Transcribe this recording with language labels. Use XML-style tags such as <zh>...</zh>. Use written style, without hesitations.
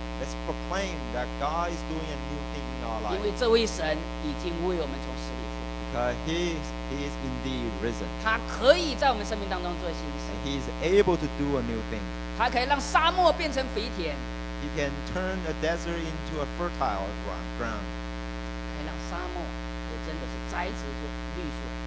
<en>Let's proclaim that God is doing a new thing in our life.</en> <zh>因为这位神已经为我们从死里复活。</zh> <en>He is indeed risen.</en> <zh>他可以在我们生命当中做新事。</zh> <en>He is able to do a new thing.</en> <zh>他可以让沙漠变成肥田。</zh> <en>He can turn a desert into a fertile ground.</en> <zh>可以让沙漠也真的是栽植出绿树。</zh>